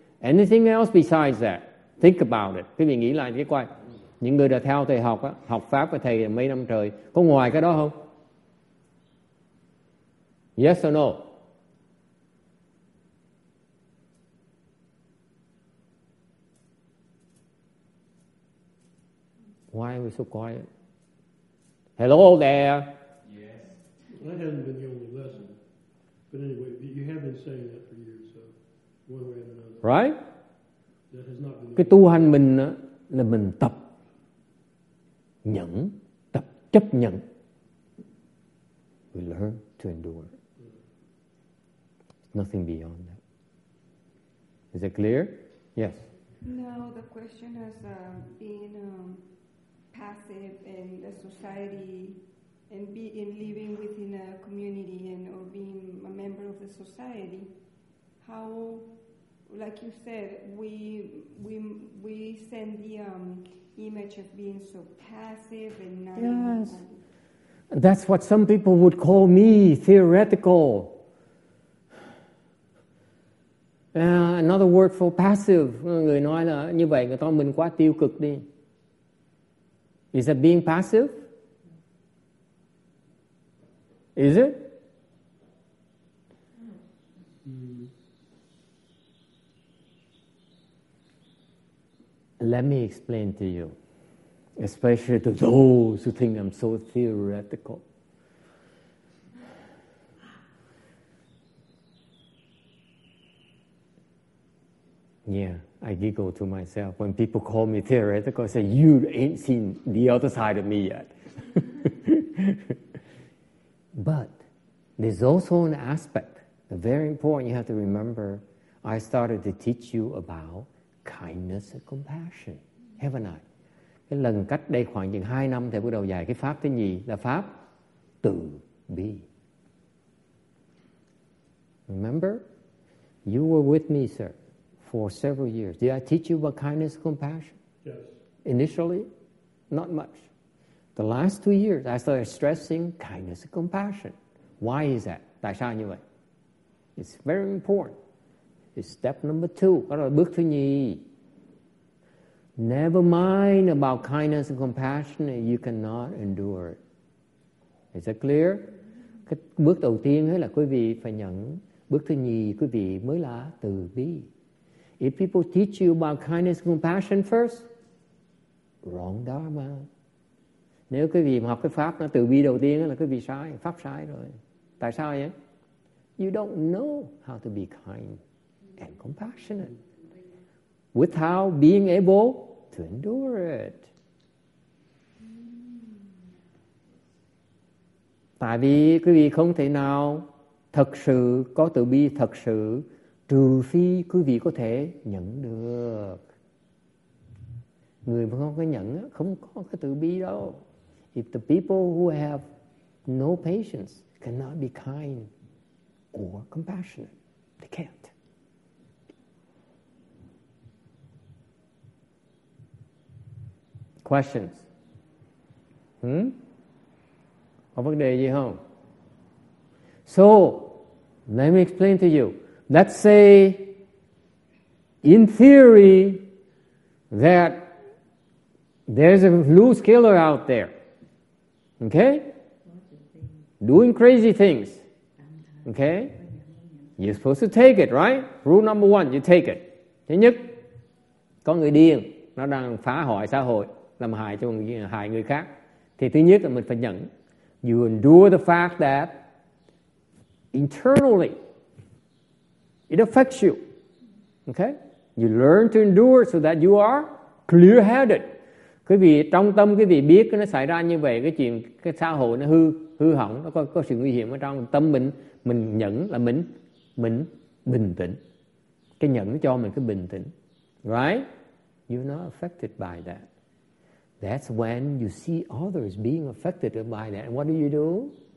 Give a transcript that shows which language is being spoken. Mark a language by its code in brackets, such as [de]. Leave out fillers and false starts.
[en] Anything else besides that? Think about it. [vi] Quý vị nghĩ lại cái quay. Những người đã theo thầy học á, học pháp với thầy mấy năm trời, có ngoài cái đó không? [en] Yes or no? Why are we so quiet? Hello there. Yes. Well, I haven't been the only lesson. But anyway, you have been saying that for years, so one way or another. Right? That has not been. [vi] Cái tu hành mình á, là mình tập nhẫn, tập chấp nhận. [en] We learn to endure. Nothing beyond that. Is it clear? Yes. No, the question has been passive in the society and in living within a community and or being a member of the society. How, like you said, we send the image of being so passive and not. Yes. That's what some people would call me, theoretical. Another word for passive. [vi] Người nói là như vậy, người ta mình quá tiêu cực đi. [en] Is that being passive? Is it? Let me explain to you, especially to those who think I'm so theoretical. Yeah, I giggle to myself when people call me theoretical. I say, you ain't seen the other side of me yet. But there's also an aspect, very important, you have to remember. I started to teach you about kindness and compassion, haven't I? [vi] Cái lần cách đây khoảng chừng 2 năm, thầy bắt đầu dạy cái pháp thứ nhì là pháp từ bi. [en] Remember? You were with me, sir. For several years. Did I teach you about kindness and compassion? Yes. Initially, not much. The last 2 years, I started stressing kindness and compassion. Why is that? [vi] Tại sao như vậy? [en] It's very important. It's step number 2. [vi] Đó là bước thứ nhì. [en] Never mind about kindness and compassion, you cannot endure it. Is that clear? [vi] Cái bước đầu tiên ấy là quý vị phải nhận. Bước thứ nhì quý vị mới là từ bi. [en] If people teach you about kindness and compassion first, wrong dharma. [vi] Nếu quý vị học cái pháp nó từ bi đầu tiên là quý vị sai, pháp sai rồi. Tại sao vậy? [en] You don't know how to be kind and compassionate without being able to endure it. [vi] Tại vì quý vị không thể nào thật sự có từ bi thật sự. Trừ phi quý vị có thể nhận được. Người không có nhận, không có cái từ bi đâu. [en] If the people who have no patience cannot be kind or compassionate, they can't. Questions? [vi] Có vấn đề gì không? [en] So, let me explain to you. Let's say, in theory, that there's a loose killer out there. Okay? doing crazy things. Okay? You're supposed to take it, right? Rule number one, you take it. [vi] Thứ nhất, có người điên, nó đang phá hoại xã hội, làm hại cho hại người khác. Thì thứ nhất là mình phải nhận. [en] You endure the fact that internally it affects you. Okay? You learn to endure so that you are clear-headed. [vi] Quý vị trong tâm quý vị biết nó xảy ra như vậy, cái chuyện cái xã hội nó hư hỏng, nó có sự nguy hiểm ở trong tâm mình nhận là mình bình tĩnh. Cái nhận nó cho mình cái bình tĩnh. [en] Right? You're not affected by that. That's when you see others being affected by that. And what do?